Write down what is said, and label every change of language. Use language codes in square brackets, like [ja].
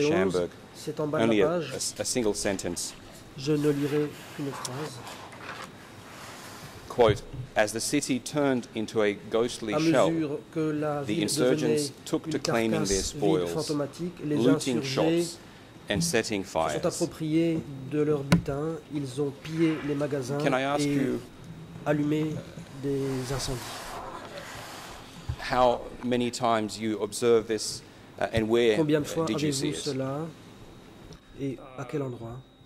[en] Schamberg. Only a single sentence. [fr] Je ne lirai qu'une phrase. [en] Quote, as the city turned into a ghostly shell, the insurgents took to claiming their spoils, looting shops and setting fires. [fr] Se sont appropriés de leur butin, ils ont pillé les magasins et allumé des incendies. [en] How many times you observe this and where did you see it? [fr] Combien de fois avez-vous cela et à quel endroit?